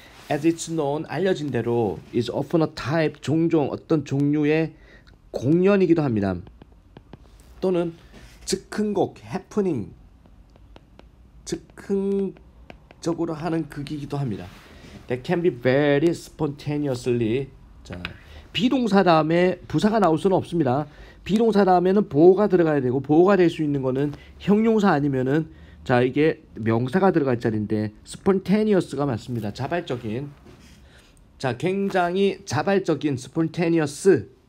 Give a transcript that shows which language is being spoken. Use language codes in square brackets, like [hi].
[en] As it's known [ko] 알려진 대로 [en] is often a type [ko] 종종 어떤 종류의 공연이기도 합니다. 또는 즉흥곡, happening, 즉흥적으로 하는 극이기도 합니다. [en] That can be very spontaneously. [ko] 자, 비동사 다음에 부사가 나올 수는 없습니다. 비동사 다음에는 보호가 들어가야 되고 보호가 될 수 있는 것은 형용사 아니면은 자 이게 명사가 들어갈 자리인데 spontaneous가 맞습니다. 자발적인. 자, 굉장히 자발적인 spontaneous.